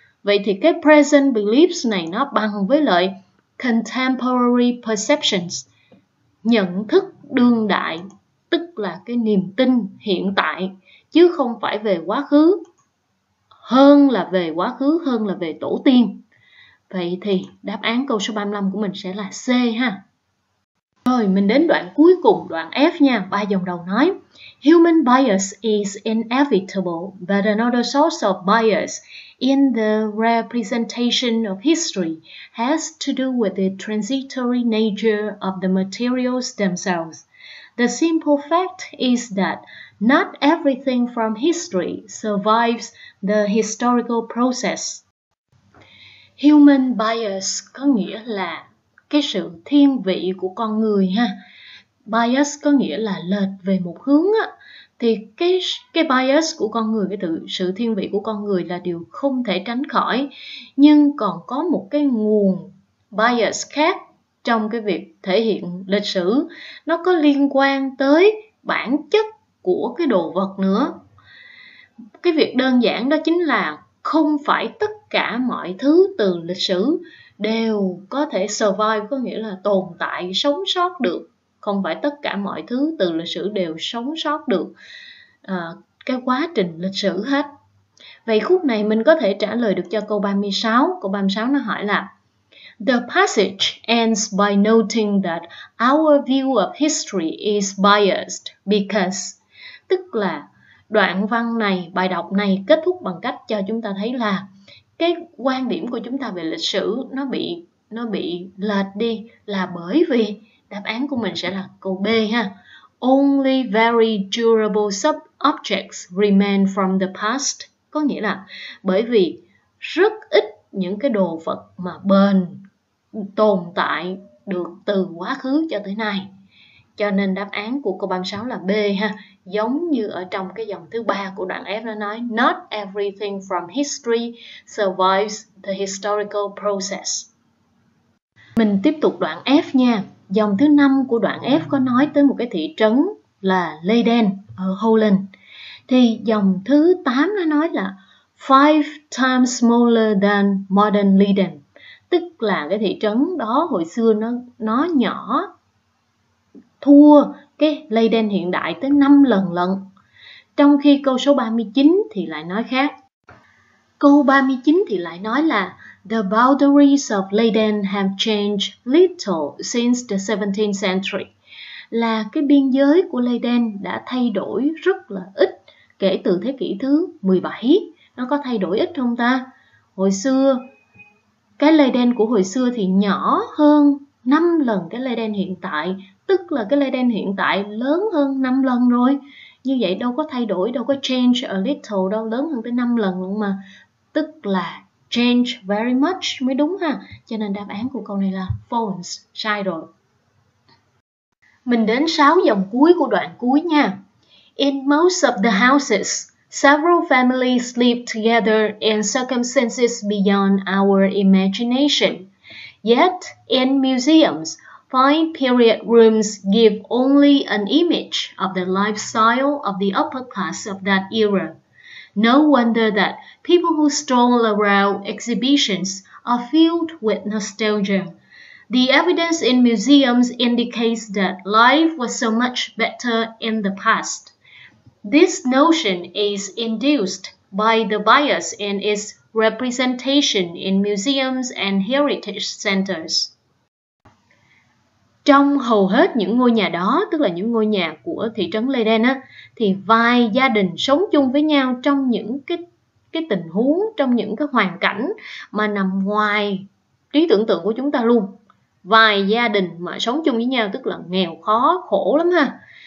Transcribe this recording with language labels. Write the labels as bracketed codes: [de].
[vi] Vậy thì cái present beliefs này nó bằng với lại contemporary perceptions, nhận thức đương đại, tức là cái niềm tin hiện tại, chứ không phải về quá khứ, hơn là về quá khứ, hơn là về tổ tiên. Vậy thì đáp án câu số 35 của mình sẽ là C ha. Rồi mình đến đoạn cuối cùng, đoạn F nha. Ba dòng đầu nói, [en] human bias is inevitable, but another source of bias in the representation of history has to do with the transitory nature of the materials themselves. The simple fact is that not everything from history survives the historical process. [vi] Human bias có nghĩa là cái sự thiên vị của con người ha. Bias có nghĩa là lệch về một hướng á. Thì cái bias của con người, cái sự thiên vị của con người là điều không thể tránh khỏi. Nhưng còn có một cái nguồn bias khác trong cái việc thể hiện lịch sử, nó có liên quan tới bản chất của cái đồ vật nữa. Cái việc đơn giản đó chính là không phải tất cả mọi thứ từ lịch sử đều có thể survive, có nghĩa là tồn tại, sống sót được. Không phải tất cả mọi thứ từ lịch sử đều sống sót được cái quá trình lịch sử hết. Vậy khúc này mình có thể trả lời được cho câu 36. Câu 36 nó hỏi là [en] the passage ends by noting that our view of history is biased because. [vi] Tức là đoạn văn này, bài đọc này kết thúc bằng cách cho chúng ta thấy là cái quan điểm của chúng ta về lịch sử nó bị lệch đi là bởi vì, đáp án của mình sẽ là câu B ha. [en] Only very durable sub-objects remain from the past. [vi] Có nghĩa là bởi vì rất ít những cái đồ vật mà bền tồn tại được từ quá khứ cho tới nay. Cho nên đáp án của câu 36 là B ha. Giống như ở trong cái dòng thứ 3 của đoạn F nó nói, [en] not everything from history survives the historical process. [vi] Mình tiếp tục đoạn F nha. Dòng thứ 5 của đoạn F có nói tới một cái thị trấn là Leiden ở Holland. Thì dòng thứ 8 nó nói là [en] 5 times smaller than modern Leiden. [vi] Tức là cái thị trấn đó hồi xưa nó nhỏ, thua cái Leiden hiện đại tới 5 lần lận. Trong khi câu số 39 thì lại nói khác. Câu 39 thì lại nói là [en] the boundaries of Leiden have changed little since the 17th century. [vi] Là cái biên giới của Leiden đã thay đổi rất là ít kể từ thế kỷ thứ 17. Nó có thay đổi ít không ta? Hồi xưa, cái Leiden của hồi xưa thì nhỏ hơn 5 lần cái Leiden hiện tại. Tức là cái Leiden hiện tại lớn hơn 5 lần rồi. Như vậy đâu có thay đổi, đâu có [en] change a little [vi] đâu, lớn hơn tới 5 lần luôn mà. Tức là [en] change very much [vi] mới đúng ha. Cho nên đáp án của câu này là false, sai rồi. Mình đến 6 dòng cuối của đoạn cuối nha. [en] In most of the houses, several families live together in circumstances beyond our imagination. Yet, in museums, fine period rooms give only an image of the lifestyle of the upper class of that era. No wonder that people who stroll around exhibitions are filled with nostalgia. The evidence in museums indicates that life was so much better in the past. This notion is induced by the bias in its representation in museums and heritage centers. [vi] Trong hầu hết những ngôi nhà đó, tức là những ngôi nhà của thị trấn Leiden á, thì vài gia đình sống chung với nhau trong những cái tình huống, trong những cái hoàn cảnh mà nằm ngoài trí tưởng tượng của chúng ta luôn. Vài gia đình mà sống chung với nhau tức là nghèo khó, khổ lắm ha.